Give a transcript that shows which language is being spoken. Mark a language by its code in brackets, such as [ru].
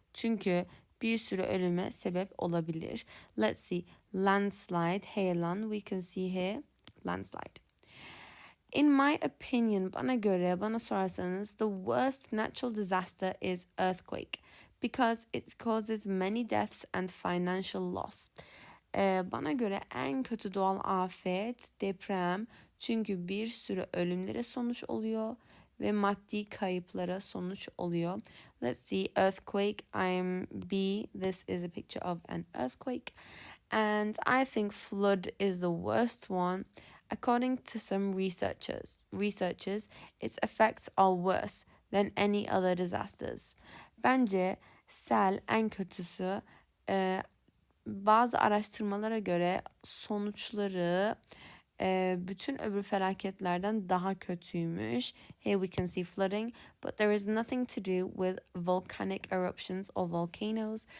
[tr] Çünkü bir sürü ölüme sebep olabilir. [en] Let's see. Landslide, heyelan, we can see here. Landslide. In my opinion, [tr] bana göre, bana sorarsanız, [en] the worst natural disaster is earthquake because it causes many deaths and financial loss. [tr] Bana göre en kötü doğal afet deprem, çünkü bir sürü ölümlere sonuç oluyor ve maddi kayıplara sonuç oluyor. [en] Let's see, earthquake, I'm B, this is a picture of an earthquake. And I think flood is the worst one. According to some researchers, its effects are worse than any other disasters. [tr] Bence sel en kötüsü. Bazı araştırmalara göre sonuçları bütün öbür felaketlerden daha kötüymüş. [en] Here we can see flooding, but there is nothing to do with volcanic eruptions or volcanoes.